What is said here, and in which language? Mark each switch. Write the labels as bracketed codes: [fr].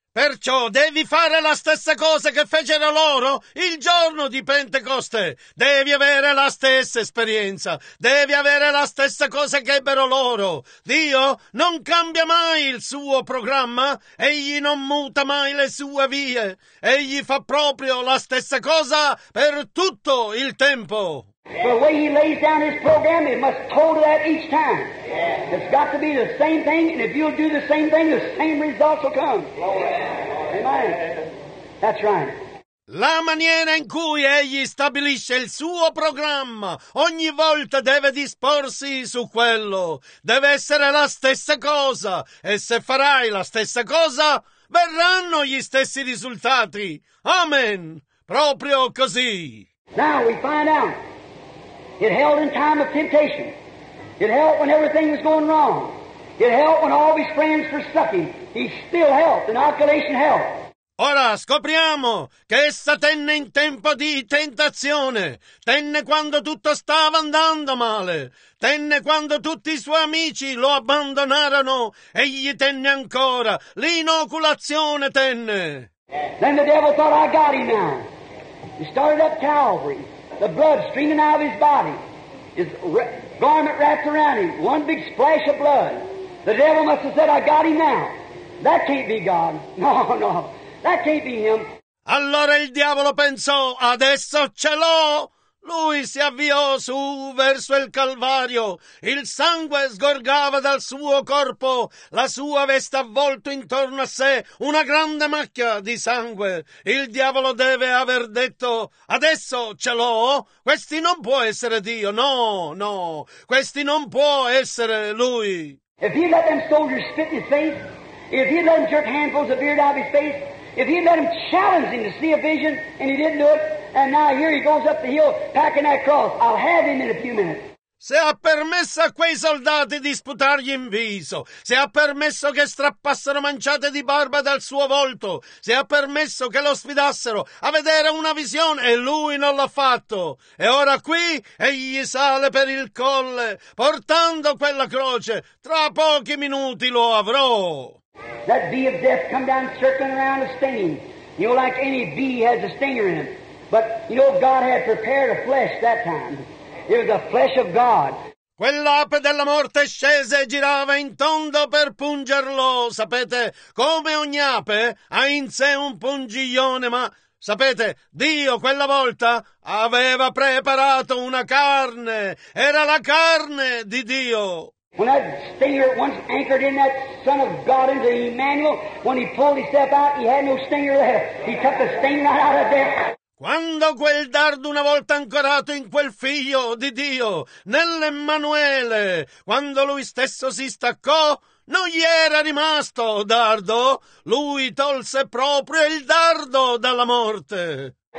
[it] Perciò devi fare la stessa cosa che fecero loro il giorno di Pentecoste. Devi avere la stessa esperienza. Devi avere la stessa cosa che ebbero loro. Dio non cambia mai il suo programma. Egli non muta mai le sue vie. Egli fa proprio la stessa cosa per tutto il tempo. [en] The way he lays down his program, it must hold to that each time. Yeah. It's got to be the same thing, and if you'll do the same thing, the same results will come. Yeah. Amen. That's right. [it] La maniera in cui egli stabilisce il suo programma, ogni volta deve disporsi su quello. Deve essere la stessa cosa, e se farai la stessa cosa, verranno gli stessi risultati. Amen. Proprio così. [en] Now we find out. It held in time of temptation. It held when everything was going wrong. It held when all of his friends forsook him. He still held. Inoculation held. [it] Ora scopriamo che essa tenne in tempo di tentazione, tenne quando tutto stava andando male, tenne quando tutti i suoi amici lo abbandonarono, egli tenne ancora, l'inoculazione tenne. [en] Then the devil thought, I got him now. He started up Calvary, the blood streaming out of his body, his garment wrapped around him, one big splash of blood. The devil must have said, I got him now. That can't be God. No, no. That can't be him. [it] Allora il diavolo pensò, adesso ce l'ho. Lui si avviò su verso il Calvario. Il sangue sgorgava dal suo corpo, la sua veste avvolto intorno a sé, una grande macchia di sangue. Il diavolo deve aver detto, adesso ce l'ho. Questi non può essere Dio. No, no. Questi non può essere lui. [en] If he let them soldiers spit in his face, if he let them jerk handfuls of beard out of his face, if he let him challenge him to see a vision and he didn't do it, and now here he goes up the hill packing that cross, I'll have him in a few minutes. [it] Se ha permesso a quei soldati di sputargli in viso, se ha permesso che strappassero manciate di barba dal suo volto, se ha permesso che lo sfidassero a vedere una visione, e lui non l'ha fatto. E ora qui egli sale per il colle, portando quella croce. Tra pochi minuti lo avrò. [en] That bee of death come down circling around a stinging. You know, like any bee has a stinger in him. But, you know, God had prepared a flesh that time. It was the flesh of God. [it] Quell'ape della morte scese e girava in tondo per pungerlo. Sapete, come ogni ape ha in sé un pungiglione, ma sapete, Dio quella volta aveva preparato una carne. Era la carne di Dio. [en] When that stinger once anchored in that Son of God into Emmanuel, when he pulled himself out, he had no stinger left. He took the sting right out of death. [it] Quando quel dardo una volta ancorato in quel figlio di Dio, nell'Emmanuele, quando lui stesso si staccò, non gli era rimasto dardo. Lui tolse proprio il dardo dalla morte.